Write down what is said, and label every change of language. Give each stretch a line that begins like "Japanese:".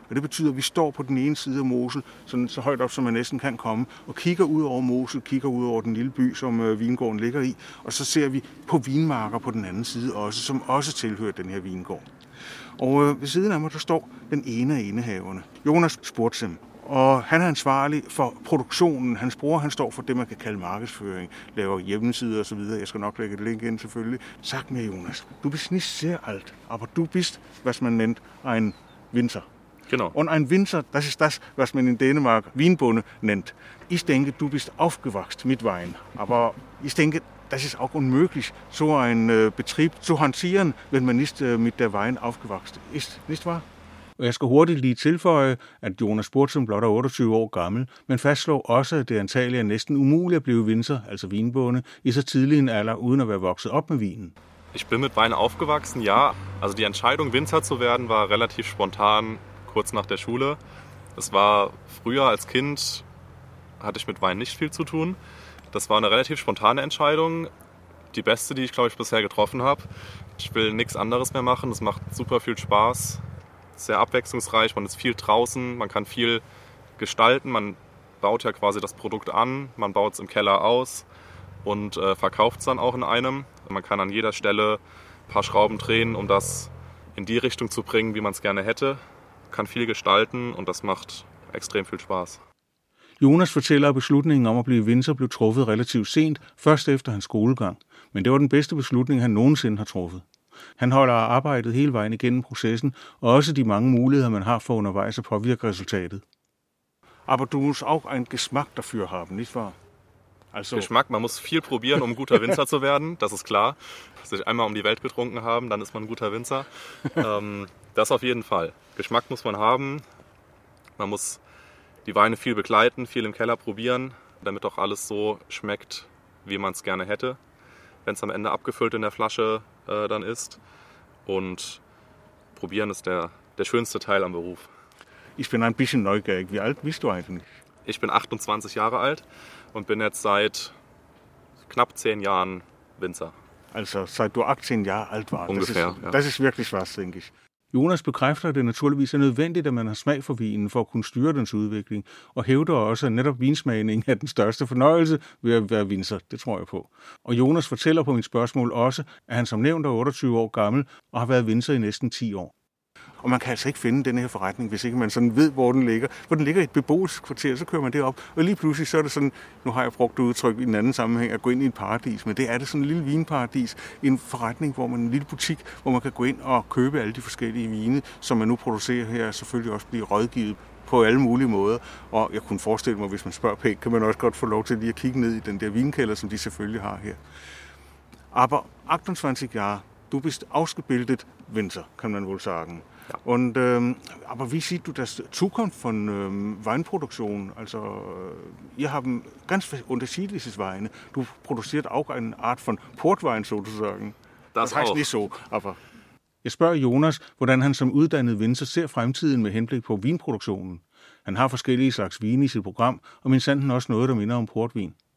Danish: Og det betyder, at vi står på den ene side af Mosel, sådan så højt op, som man næsten kan komme, og kigger ud over Mosel, kigger ud over den lille by, som vingården ligger i, og så ser vi på vinmarker på den anden side også, som også tilhører den her vingård. Og ved siden af mig, der står den ene af indehaverne, Jonas Spurzem. Og han er ansvarlig for produktionen. Hans bror, han står for det, man kan kalde markedsføring. Laver hjemmesider osv. Jeg skal nok lægge et link ind, selvfølgelig. Sagt med Jonas.
German: Du bist nicht sehr alt, aber du bist, was man nennt, ein Winzer. Genau. Und ein Winzer, das ist das, was man in Dänemark vinbonde nennt. Ich denke, du bist aufgewachst mit Wein. Aber ich denke, das ist auch unmöglich, so ein Betrieb zu hantieren, wenn man nicht mit der Wein aufgewachst ist. Nicht wahr?
Danish: Og jeg skal hurtigt lige tilføje, at Jonas Spurzem blot er 28 år gammel, men fastslår også, at det antagelig er næsten umuligt at blive vinser, altså vinbonde, i så tidlig en alder, uden at være vokset op med vinen.
German: Ich bin mit Wein aufgewachsen, ja. Also die Entscheidung, Winzer zu werden, war relativ spontan, kurz nach der Schule. Das war früher als Kind, hatte ich mit Wein nicht viel zu tun. Das war eine relativ spontane Entscheidung, die beste, die ich, glaube ich, bisher getroffen habe. Ich will nichts anderes mehr machen, das macht super viel Spaß. Sehr abwechslungsreich, man ist viel draußen, man kann viel gestalten, man baut ja quasi das Produkt an, man baut es im Keller aus und verkauft es dann auch in einem. Man kann an jeder Stelle ein paar Schrauben drehen, um das in die Richtung zu bringen, wie man es gerne hätte. Kann viel gestalten und das macht extrem viel Spaß.
Danish: Jonas fortæller, at beslutningen om at blive vinser blev truffet relativt sent, først efter hans skolegang. Men det var den bedste beslutning, han nogensinde har truffet. Han holder arbejdet hele vejen igennem processen, og også de mange muligheder, man har for undervejs at påvirke resultatet.
German: Aber du musst auch ein Geschmack dafür haben, nicht wahr? Also Geschmack, man muss viel probieren, um guter Winzer zu werden, das ist klar. Sich einmal um die Welt getrunken haben, dann ist man ein guter Winzer. Das auf jeden Fall. Geschmack muss man haben, man muss die Weine viel begleiten, viel im Keller probieren, damit auch alles so schmeckt, wie man es gerne hätte. Wenn es am Ende abgefüllt in der Flasche dann ist. Und probieren ist der schönste Teil am Beruf. Ich bin ein bisschen neugierig. Wie alt bist du eigentlich? Ich bin 28 Jahre alt und bin jetzt seit knapp 10 Jahren Winzer. Also seit du 18 Jahre alt warst. Ungefähr, das ist wirklich was, denke ich.
Danish: Jonas bekræfter, at det naturligvis er nødvendigt, at man har smag for vinen for at kunne styre dens udvikling, og hævder også, at netop vinsmagning er den største fornøjelse ved at være vinser, det tror jeg på. Og Jonas fortæller på mit spørgsmål også, at han som nævnt er 28 år gammel og har været vinser i næsten 10 år. Og man kan altså ikke finde den her forretning, hvis ikke man sådan ved, hvor den ligger. For den ligger i et beboelseskvarter, så kører man det op. Og lige pludselig så er det sådan, nu har jeg brugt udtryk i en anden sammenhæng, at gå ind i et paradis. Men det er det sådan en lille vinparadis. En forretning, hvor man en lille butik, hvor man kan gå ind og købe alle de forskellige vine, som man nu producerer her, og selvfølgelig også blive rådgivet på alle mulige måder. Og jeg kunne forestille mig, hvis man spørger pænt, kan man også godt få lov til lige at kigge ned i den der vinkælder, som de selvfølgelig har her.
German: Aber 28 Jahre, du bist ausgebildet Winzer, kan man vel sagen. Ja. Und aber wie siehst du das Zukunft von Weinproduktion? Also ihr haben ganz unterschiedliche Weine. Du produzierst auch eine Art von Portwein sozusagen. Das heißt auch. Nicht so, aber
Danish: Jeg spørger Jonas, hvordan han som uddannet vinser ser fremtiden med henblik på vinproduktionen. Han har forskellige slags vin i sit program, og minsandten også noget, der minder om portvin.